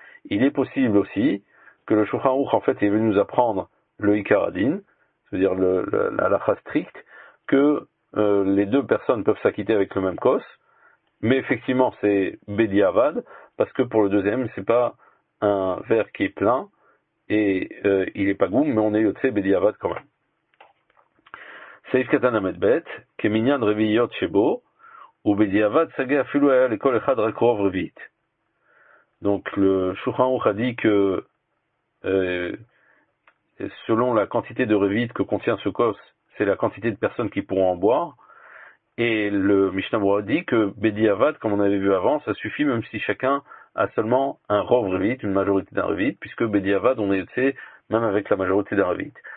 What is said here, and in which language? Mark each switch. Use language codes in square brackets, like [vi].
[fr] Il est possible aussi que le Shulchan Aruch en fait est venu nous apprendre le ikaradin, c'est-à-dire la halakha stricte que les deux personnes peuvent s'acquitter avec le même kos, mais effectivement c'est bediavad. Parce que pour le deuxième, c'est pas un verre qui est plein et il est pas goum, mais on est yotze bediavad quand même. [he] סעיף קטן עמד ב', כמניין רביעיות שבו, ובדיעבד סגה אפילו היה לכל אחד רק רוב רביעית. [fr] Donc le Shulchan Aruch a dit que selon la quantité de revit que contient ce kos, c'est la quantité de personnes qui pourront en boire. Et le Mishnah Berurah dit que Bediavad, comme on avait vu avant, ça suffit même si chacun a seulement un rov revit, une majorité d'un revit, puisque Bediavad, on est fait même avec la majorité d'un revit.